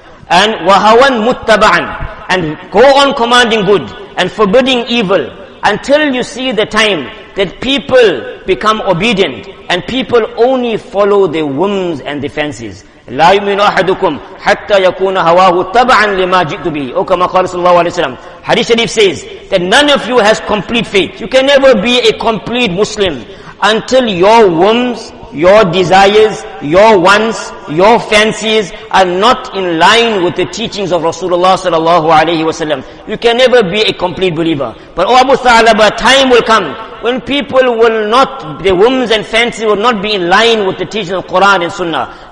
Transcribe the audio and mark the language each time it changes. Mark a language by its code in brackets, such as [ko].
[en] And wahawan muttaba'an, and go on commanding good and forbidding evil until you see the time that people become obedient and people only follow their whims and their fancies. [ar] لا يؤمن أحدكم حتى يكون هواه تبعا لما جئت به. أو كما قال صلى الله عليه وسلم. [en] Hadith Sharif says that none of you has complete faith. You can never be a complete Muslim until your whims, your desires, your wants, your fancies are not in line with the teachings of Rasulullah sallallahu alayhi wasallam. You can never be a complete believer. But oh Abu Thalaba, time will come when people will not, their whims and fancies will not be in line with the teachings of Quran and Sunnah.